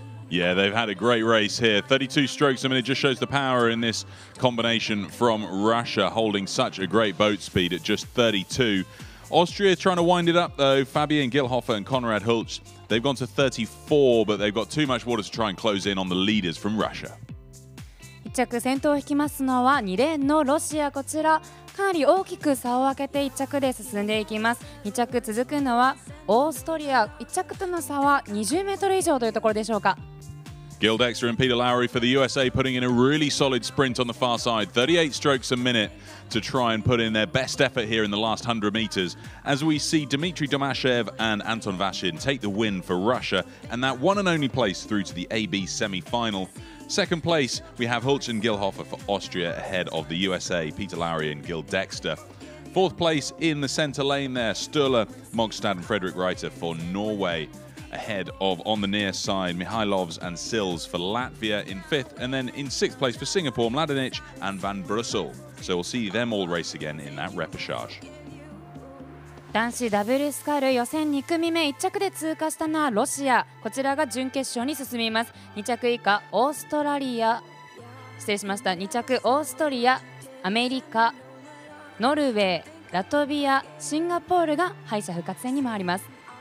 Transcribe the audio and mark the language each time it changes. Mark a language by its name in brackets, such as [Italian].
[English] Yeah, they've had a great race here. 32 strokes. I mean, it just shows the power in this combination from Russia, holding such a great boat speed at just 32. Austria trying to wind it up, though. Fabian Gilhofer and Konrad Hulsch, they've gone to 34, but they've got too much water to try and close in on the leaders from Russia. [Japanese] 1着先頭を引きますのは2レーンのロシア。こちらかなり大きく差を分けて1着で進んでいきます。 2着続くのはオーストリア。1着との差は20メートル以上というところでしょうか。 [English] Gil Dexter and Peter Lowry for the USA putting in a really solid sprint on the far side. 38 strokes a minute to try and put in their best effort here in the last 100 meters. As we see Dmitry Domashev and Anton Vashin take the win for Russia and that one and only place through to the AB semi-final. Second place, we have Hulsch and Gilhofer for Austria ahead of the USA, Peter Lowry and Gil Dexter. Fourth place in the center lane there, Sturla, Mogstad and Frederik Reiter for Norway. Ahead of, on the near side, Mihailovs and Sills for Latvia in fifth. And then in sixth place for Singapore, Mladenic and Van Brussel. So we'll see them all race again in that repechage. [Japanese] 男子ダブルスカル予選2組目1着で通過したのはロシア。こちらが準決勝に進みます。2着以下オーストラリア、失礼しました、2着オーストリア、アメリカ、ノルウェー、ラトビア、シンガポールが敗者復活戦に回ります。